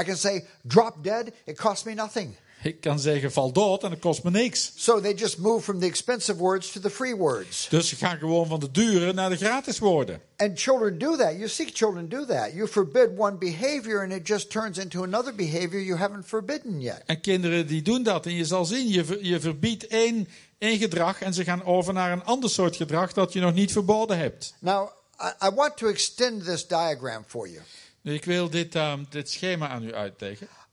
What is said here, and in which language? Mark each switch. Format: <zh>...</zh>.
<en>I can say, drop dead, it cost me nothing.</en> <nl>Ik kan zeggen, val dood en het kost me niks.</nl> <en>So they just move from the expensive words to the free words.</en> <nl>Dus ze gaan gewoon van de dure naar de gratis woorden.</nl> <en>And children do that. You see children do that. You forbid one behavior and it just turns into another behavior you haven't forbidden yet.</en> <nl>En kinderen die doen dat en je zal zien, je verbiedt één gedrag en ze gaan over naar een ander soort gedrag dat je nog niet verboden hebt.</nl> <en>Now, I want to extend this diagram for you.</en> <nl>Ik wil dit schema aan u uitleggen.</nl>